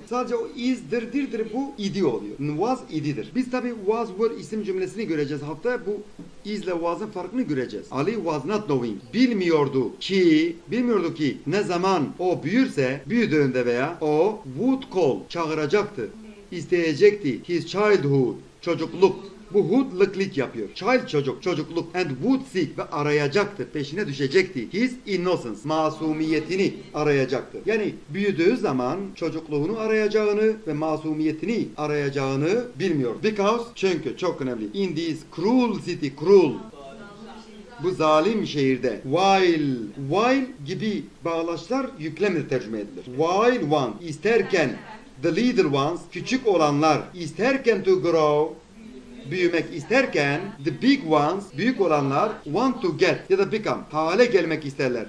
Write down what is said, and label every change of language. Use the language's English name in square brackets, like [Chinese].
[Turkish] Sadece o izdir, dirdir bu idi oluyor. Was ididir. Biz tabii was were isim cümlesini göreceğiz hafta. Bu izle was'ın farkını göreceğiz. [English] Ali was not knowing. [Turkish] Bilmiyordu ki ne zaman o büyürse, büyüdüğünde veya o [English] would call [Turkish] çağıracaktı. İsteyecekti his childhood, çocukluk. Bu hoodlıklık yapıyor. Child çocuk, çocukluk. [English] And would seek [Turkish] ve arayacaktı, peşine düşecekti. [English] His innocence, [Turkish] masumiyetini arayacaktı. Yani büyüdüğü zaman çocukluğunu arayacağını ve masumiyetini arayacağını bilmiyor. Because, çünkü çok önemli. [English] In this cruel city, cruel. [Turkish] Bu zalim şehirde. While gibi bağlaçlar yüklemle tercüme edilir. [English] While one, [Turkish] isterken [English] the little ones, [Turkish] küçük olanlar, isterken [English] to grow, [Turkish] büyümek isterken, [English] the big ones, [Turkish] büyük olanlar, [English] want to get [Turkish] ya da become, hale gelmek isterler.